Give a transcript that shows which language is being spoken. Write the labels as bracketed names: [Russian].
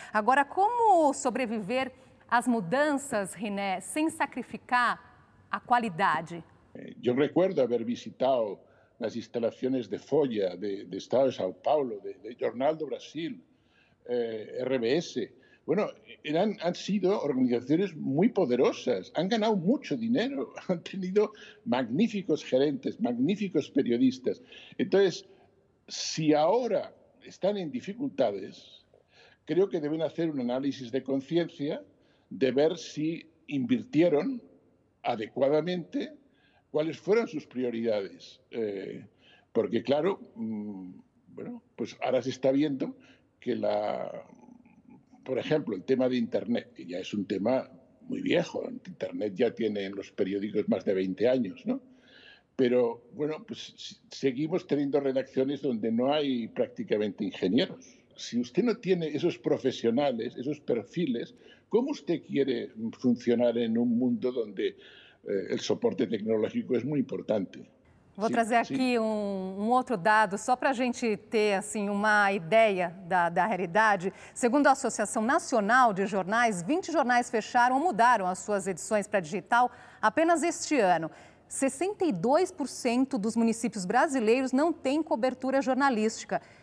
[Portuguese] Agora, como sobreviver às mudanças, René, sem sacrificar a qualidade? Eu [Spanish] recuerdo haber [Portuguese] visitado as instalações de Folha, de Estado de São Paulo, de Jornal do Brasil, RBS. [Spanish] Bueno, han sido organizaciones muy poderosas, han ganado mucho dinero, han tenido magníficos gerentes, magníficos periodistas. Entonces, si ahora están en dificultades, creo que deben hacer un análisis de conciencia, de ver si invirtieron adecuadamente, cuáles fueron sus prioridades. Porque, claro, bueno, pues ahora se está viendo que la... Por ejemplo, el tema de Internet, que ya es un tema muy viejo. Internet ya tiene en los periódicos más de 20 años, ¿no? Pero, bueno, pues seguimos teniendo redacciones donde no hay prácticamente ingenieros. Si usted no tiene esos profesionales, esos perfiles, ¿cómo usted quiere funcionar en un mundo donde el soporte tecnológico es muy importante? [Portuguese] Vou trazer aqui um outro dado, só para a gente ter assim, uma ideia da realidade. Segundo a Associação Nacional de Jornais, 20 jornais fecharam ou mudaram as suas edições para digital apenas este ano. 62% dos municípios brasileiros não têm cobertura jornalística.